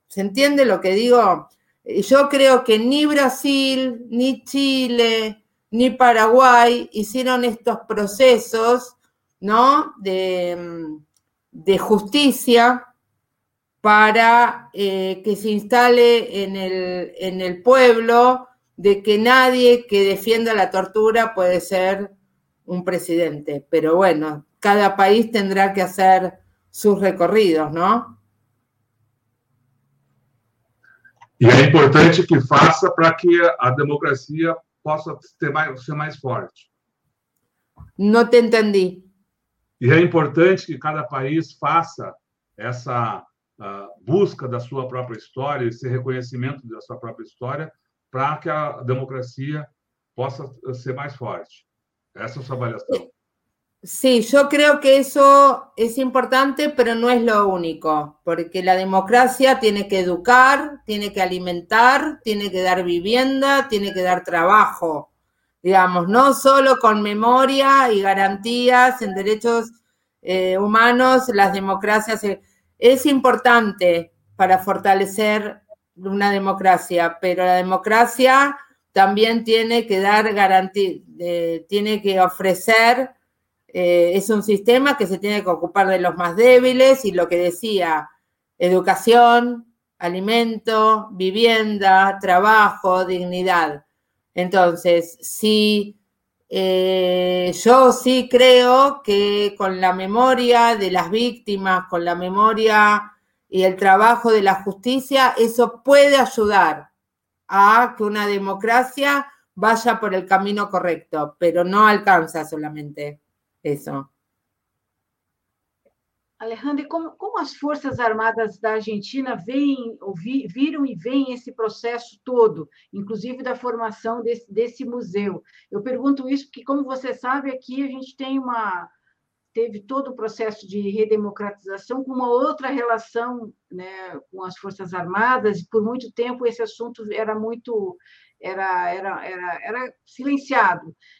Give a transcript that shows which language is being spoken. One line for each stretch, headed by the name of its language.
Spanish: ¿Se entiende lo que digo? Yo creo que ni Brasil, ni Chile, ni Paraguay hicieron estos procesos, ¿no?, de justicia para que se instale en el pueblo de que nadie que defienda la tortura puede ser un presidente. Pero bueno, cada país tendrá que hacer sus recorridos, ¿no?
Portuguese: E é importante que faça para que a democracia possa ser mais forte. Não te entendi. E é importante que cada país faça essa busca da sua própria história, esse reconhecimento da sua própria história, para que a democracia possa ser mais forte. Essa é a sua avaliação. Sim, eu creio que isso é importante, mas não é o único, porque a democracia tem que educar, tem que alimentar, tem que dar vivienda, tem que dar trabalho, digamos, não só com memória e garantias em direitos humanos, as democracias. É importante para fortalecer uma democracia, mas a democracia também tem que dar garantia, tem que oferecer.
Spanish: Es un sistema que se tiene que ocupar de los más débiles, y lo que decía, educación, alimento, vivienda, trabajo, dignidad. Entonces, sí, yo sí creo que con la memoria de las víctimas, con la memoria y el trabajo de la justicia, eso puede ayudar a que una democracia vaya por el camino correcto, pero no alcanza solamente.
Portuguese: Isso. Alejandro, como as Forças Armadas da Argentina viram e veem esse processo todo, inclusive da formação desse museu? Eu pergunto isso porque, como você sabe, aqui a gente tem teve todo o processo de redemocratização com uma outra relação, né, com as Forças Armadas, e por muito tempo esse assunto era muito era silenciado.